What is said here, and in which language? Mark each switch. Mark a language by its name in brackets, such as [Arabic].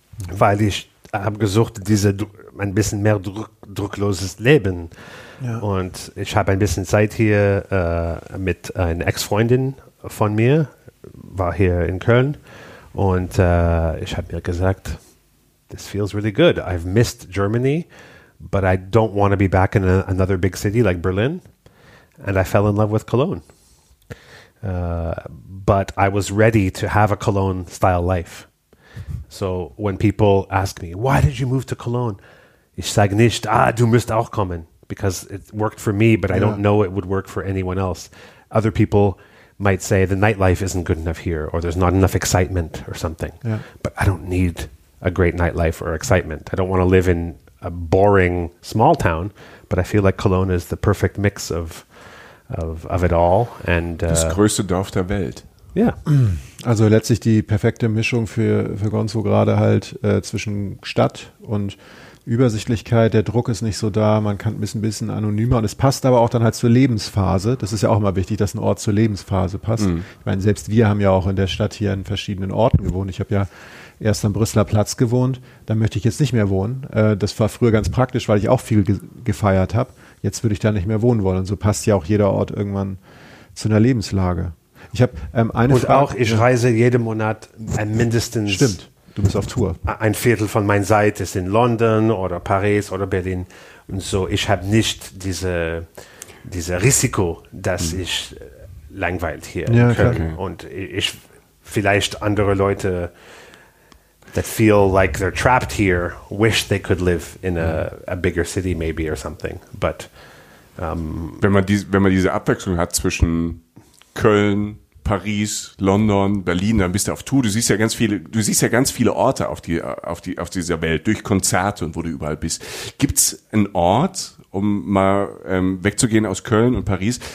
[German] Weil ich habe gesucht diese ein bisschen mehr druckloses Leben. Ja. Und ich habe ein bisschen Zeit hier mit einer Ex-Freundin von mir, war hier in Köln. Und ich habe mir gesagt, [English] this feels really good. I've missed Germany, but I don't want to be back in another big city like Berlin. And I fell in love with Cologne. But I was ready to have a Cologne-style life. So when people ask me, why did you move to Cologne? [German] Ich sage nicht, du musst auch kommen, [English] because it worked for me, but I don't know it would work for anyone else. Other people might say the nightlife isn't good enough here, or there's not enough excitement or something. Yeah. But I don't need a great nightlife or excitement. I don't want to live in a boring small town, but I feel like Cologne is the perfect mix of it all. And [German] das größte Dorf der Welt. Ja. Also letztlich die perfekte Mischung für Gonzo gerade halt zwischen Stadt und Übersichtlichkeit. Der Druck ist nicht so da, man kann ein bisschen anonymer und es passt aber auch dann halt zur Lebensphase. Das ist ja auch immer wichtig, dass ein Ort zur Lebensphase passt. Ich meine, selbst wir haben ja auch in der Stadt hier in verschiedenen Orten gewohnt. Ich habe ja erst am Brüsseler Platz gewohnt, da möchte ich jetzt nicht mehr wohnen. Das war früher ganz praktisch, weil ich auch viel gefeiert habe. Jetzt würde ich da nicht mehr wohnen wollen. Und so passt ja auch jeder Ort irgendwann zu einer Lebenslage. Ich habe eine Frage. Und auch, ich reise jeden Monat mindestens. Stimmt, du bist auf Tour. Ein Viertel von meiner Zeit ist in London oder Paris oder Berlin. Und so, ich habe nicht diese Risiko, dass ich langweilt hier in Köln. Klar. Und ich vielleicht andere Leute, [English] that feel like they're trapped here, wish they could live in a bigger city maybe or something. But [German] wenn man diese Abwechslung hat zwischen Köln, Paris, London, Berlin, dann bist du auf Tour. Du siehst ja ganz viele Orte auf dieser Welt durch Konzerte und wo du überall bist. Gibt's einen Ort, um mal wegzugehen aus Köln und Paris?